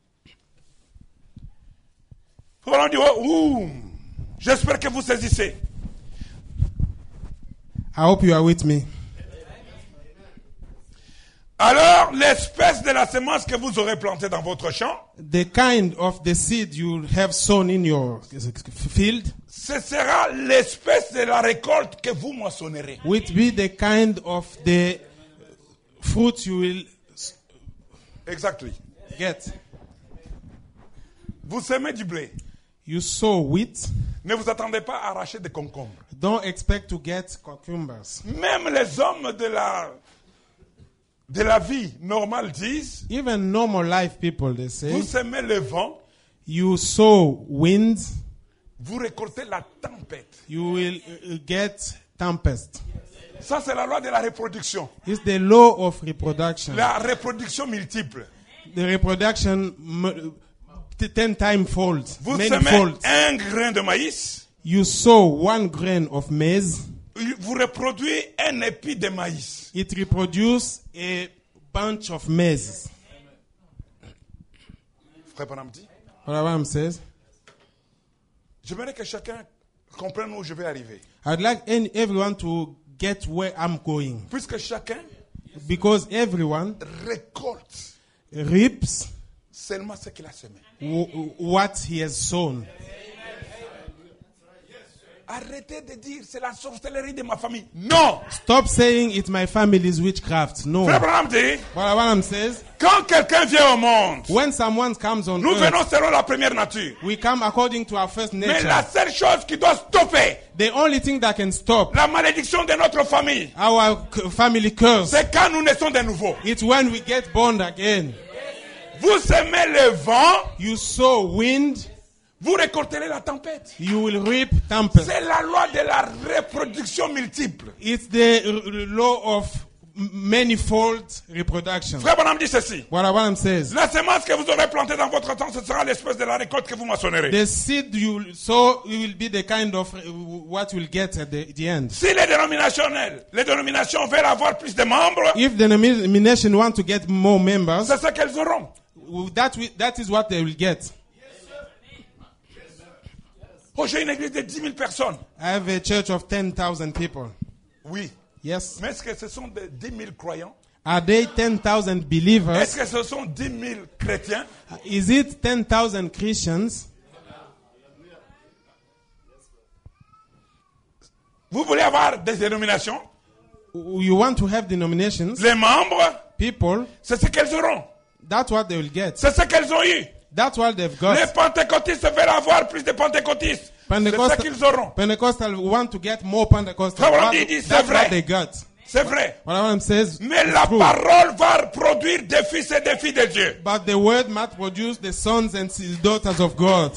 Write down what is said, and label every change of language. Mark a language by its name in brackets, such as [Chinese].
[English] Yes. [French] Amen. Faut dire, ouh, j'espère que vous saisissez. [English] I hope you are with me. [French] Alors, l'espèce de la semence que vous aurez plantée dans votre champ, [English] the kind of the seed you have sown in your field, [French] ce sera l'espèce de la récolte que vous moissonnerez. [English] Will be the kind of the fruit you will exactly get. [French] Vous semez du blé. [English] You sow wheat. [French] Ne vous attendez pas à arracher des concombres. [English] Don't expect to get cucumbers. [French] Même les hommes de la vie normale disent. [English] Even normal life people, they say. [French] Vous semez le vent. [English] You sow winds. [French] Vous récoltez la tempête. [English] You will get tempest. [French] Ça c'est la loi de la reproduction. [English] It's the law of reproduction. [French] La reproduction multiple. [English] The reproduction 10 times fold. [French] Vous semez un grain de maïs. [English] You sow one grain of maize. [French] Vous reproduisez un épi de maïs. [English] It reproduces a bunch of maize. [French] Frère Branham dit. [English] Frère Branham says. [French] J'aimerais que chacun comprenne où je vais arriver. [English] I'd like everyone to get where I'm going. [French] Puisque chacun. [English] Because everyone [French] récolte, [English] reaps [French] seulement ce qu'il a semé. [English] What he has sown. Amen. [French] Arrêtez de dire c'est la sorcellerie de ma famille. Non. [English] Stop saying it's my family's witchcraft. No. [French] Abraham dit. [English] What Abraham says. [French] Quand quelqu'un vient au monde. [English] When someone comes on [French] nous [English] earth. [French] Nous venons selon la première nature. [English] We come according to our first nature. [French] Mais la seule chose qui doit stopper. [English] The only thing that can stop. [French] La malédiction de notre famille. [English] Our family curse. [French] C'est quand nous naissons de nouveau. [English] It's when we get born again. [French] Vous semez le vent. [English] You sow wind. [French] Vous récolterez la tempête. [English] You will reap tempest. [French] C'est la loi de la reproduction multiple. [English] It's the law of manifold reproduction. [French] Frère Branham dit ceci. [English] What Abraham says. [French] La semence que vous aurez plantée dans votre temps, ce sera l'espèce de la récolte que vous moissonnerez. [English] The seed you sow will be the kind of what you'll get at the end. [French] Si les dénominationnels, les dénominations veulent avoir plus de membres. [English] If the denomination want to get more members. [French] C'est ce qu'elles auront. [English] That is what they will get. [French] Oh, j'ai une église de 10 000 personnes. [English] I have a church of 10,000 people. [French] Oui. [English] Yes. [French] Mais est-ce que ce sont des 10 000 croyants? [English] Are they 10,000 believers? [French] Est-ce que ce sont 10 000 chrétiens? [English] Is it 10,000 Christians? [French] Vous voulez avoir des dénominations? [English] You want to have denominations? [French] Les membres? [English] People? [French] C'est ce qu'elles auront. [English] That's what they will get. [French] C'est ce qu'elles ont eu. [English] That's what they've got. [French] Les pentecôtistes veulent avoir plus de pentecôtistes. C'est ce qu'ils auront. [English] Pentecostals want to get more pentecostals. What, dit, that's [French] c'est vrai. [English] What they got. [French] C'est vrai. [English] What Abraham says. [French] Mais la [English] true. [French] Parole va produire des fils et des filles de Dieu. [English] But the word must produce the sons and daughters of God.